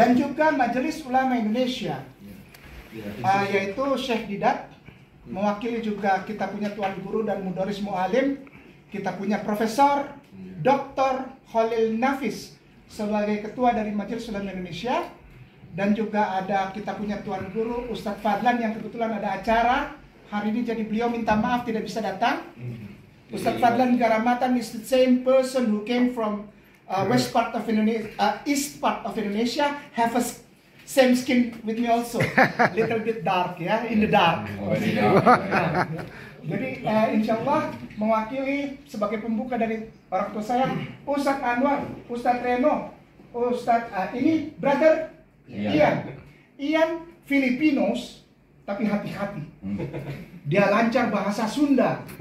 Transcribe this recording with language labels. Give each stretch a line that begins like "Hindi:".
Indonesian: Dan juga Majelis Ulama Indonesia, yaitu Syekh Didat, mewakili juga kita punya tuan guru dan mudarris mualim, kita punya Profesor Dr. Khalil Nafis sebagai ketua dari Majelis Ulama Indonesia, dan juga ada kita punya tuan guru Ustadz Fadlan yang kebetulan ada acara. Hari ini jadi beliau minta maaf tidak bisa datang.
English: Ustaz Fadlan Garamatan is the same person who came from west part of Indonesia, east part of Indonesia, have a same skin with me also. Little bit dark, ya, yeah? In the dark.
Indonesian: Jadi insya Allah mewakili sebagai pembuka dari orang tua saya, Ustaz Anwar, Ustaz Reno, Ustaz ini brother Ian. Ian Filipinos. Tapi hati-hati, dia lancar bahasa Sunda.